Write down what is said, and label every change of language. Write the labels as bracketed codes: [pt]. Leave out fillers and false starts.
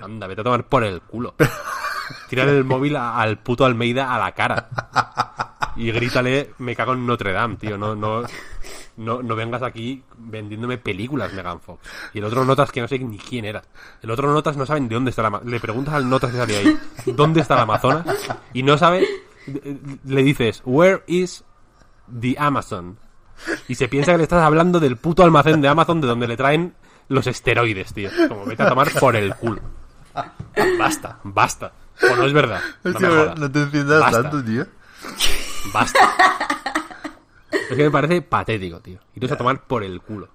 [es] Anda, vete a tomar por el culo. Tírale el móvil al puto Almeida a la cara. Y grítale, me cago en Notre Dame, tío. No vengas aquí vendiéndome películas, Megan Fox. Y el otro Notas, que no sé ni quién era. El otro Notas no sabe ni dónde está la Amazonas. Le preguntas al Notas que salía ahí, ¿dónde está la Amazonas? Y no sabe. Le dices, [en] where is the Amazon? [es] Y se piensa que le estás hablando del puto almacén de Amazon de donde le traen los esteroides, tío. Como vete a tomar por el culo. Basta, basta. O no es verdad. No te entiendas tanto, tío. Basta. Es que me parece patético, tío. Y tú vas a tomar por el culo.